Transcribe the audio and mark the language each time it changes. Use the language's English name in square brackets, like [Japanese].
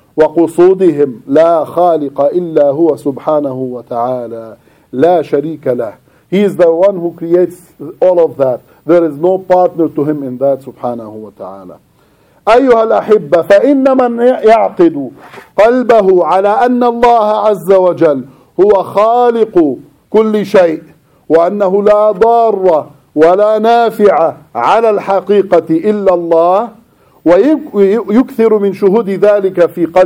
[Arabic] وقصودهم لا خالق إلا هو سبحانه وتعالى لا شريك له. [English] He is the one who creates all of that. There is no partner to him in that, سبحانه وتعالى. [Arabic] أيها الأحبة، فإن من يعقد قلبه على أن الله عز وجل هو خالق كل شيء وأنه لا ضار ولا نافع على الحقيقة إلا الله ويكثر من شهود ذلك في